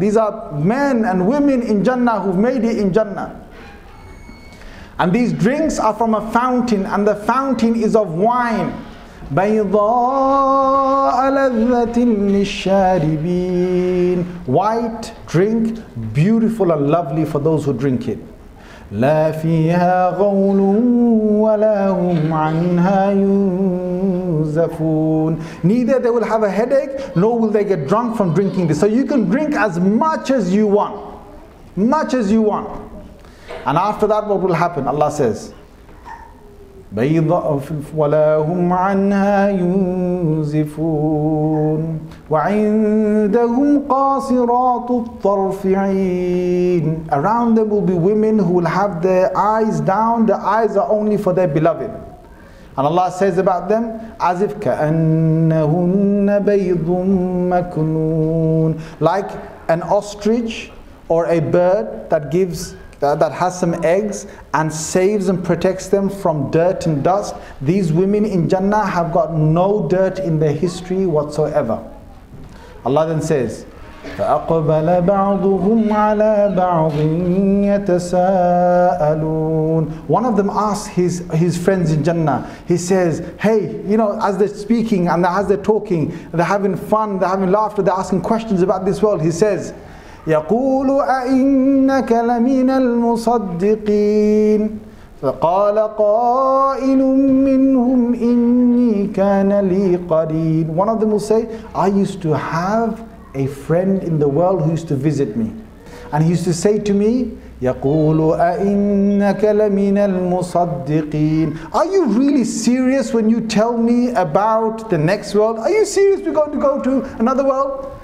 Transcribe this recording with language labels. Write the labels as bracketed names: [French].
[English] These are men and women in Jannah who've made it in Jannah. And these drinks are from a fountain, and the fountain is of wine. [Arabic] بَيْضَاءَ لَذَّةٍ لِلشَّارِبِينَ. [English] White drink, beautiful and lovely for those who drink it. [Arabic] لا فيها غول ولا هم عنها ينزفون. [English] Neither they will have a headache, nor will they get drunk from drinking this. So you can drink as much as you want. Much as you want. And after that, what will happen? Allah says, [Arabic] بيضاء ولا هم عنها ينزفون. وعندهم قاصرات الطرف عين. [English] Around them will be women who will have their eyes down. The eyes are only for their beloved. And Allah says about them, as if [Arabic] كأنهن بيض مكنون. [English] Like an ostrich or a bird that has some eggs and saves and protects them from dirt and dust. These women in Jannah have got no dirt in their history whatsoever. Allah then says, [Arabic] فَأَقْبَلَ بَعْضُهُمْ عَلَىٰ بَعْضٍ يَتَسَاءَلُونَ. [English] One of them asks his friends in Jannah, he says, hey, you know, as they're speaking and as they're talking, they're having fun, they're having laughter, they're asking questions about this world. He says, [Arabic] يَقُولُ أَإِنَّكَ لَمِنَ الْمُصَدِّقِينَ. فقال قائل منهم إني كان لي قرين. [English] One of them will say, I used to have a friend in the world who used to visit me. And he used to say to me, [Arabic] يقول أإنك لمن المصدقين. [English] Are you really serious when you tell me about the next world? Are you serious we're going to go to another world?